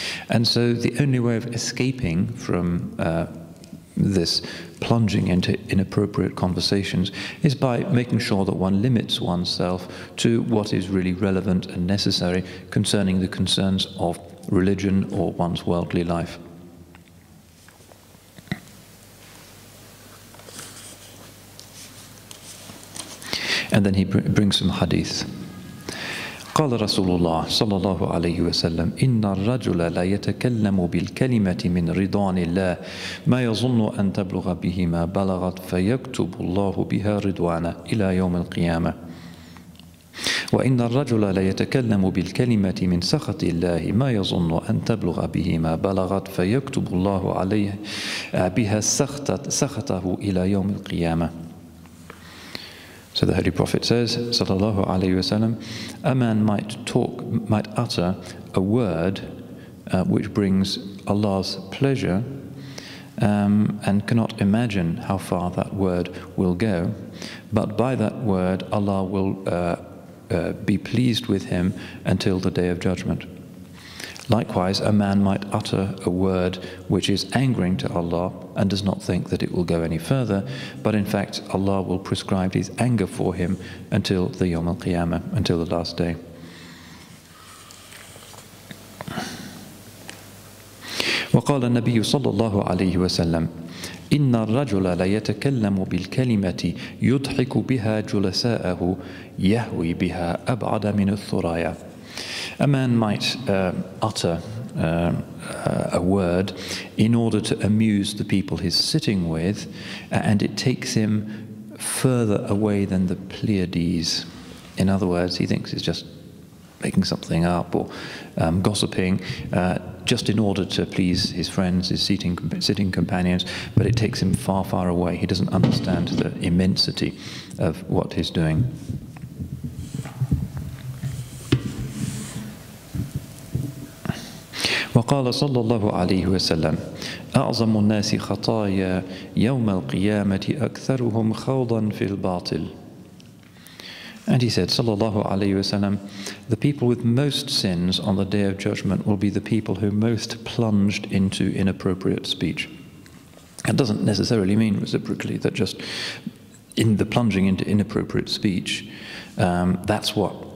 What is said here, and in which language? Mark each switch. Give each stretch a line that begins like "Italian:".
English: And so the only way of escaping from this plunging into inappropriate conversations is by making sure that one limits oneself to what is really relevant and necessary concerning the concerns of religion or one's worldly life. And then he brings some hadith.
Arabic: قال رسول الله صلى الله عليه وسلم إن الرجل لا يتكلم بالكلمة من رضوان الله ما يظن أن تبلغ به ما بلغت فيكتب الله بها رضوانه إلى يوم القيامة وإن الرجل لا يتكلم بالكلمة من سخط الله ما يظن أن تبلغ به ما بلغت فيكتب الله عليه بها سخطه إلى يوم القيامة.
English: So the Holy Prophet says,
Arabic: sallallahu alayhi wasallam,
English: a man might utter a word which brings Allah's pleasure and cannot imagine how far that word will go. But by that word, Allah will be pleased with him until the Day of Judgment. Likewise, a man might utter a word which is angering to Allah and does not think that it will go any further, but in fact Allah will prescribe his anger for him until the Yawm al-Qiyamah, until the last day.
Arabic: وقال النبي صلى الله عليه وسلم إن الرجل لا يتكلم بالكلمة يضحك بها جلساءه يهوي بها أبعد من الثرايا.
English: A man might utter a word in order to amuse the people he's sitting with, and it takes him further away than the Pleiades. In other words, he thinks he's just making something up or gossiping just in order to please his friends, his sitting companions, but it takes him far, far away. He doesn't understand the immensity of what he's doing.
Arabic: وقال صلى الله عليه وسلم أعظم الناس خطايا يوم القيامة أكثرهم خوضا في الباطل.
English: And he said,
Arabic: صلى الله عليه وسلم,
English: the people with most sins on the Day of Judgment will be the people who most plunged into inappropriate speech. It doesn't necessarily mean reciprocally that just in the plunging into inappropriate speech, that's what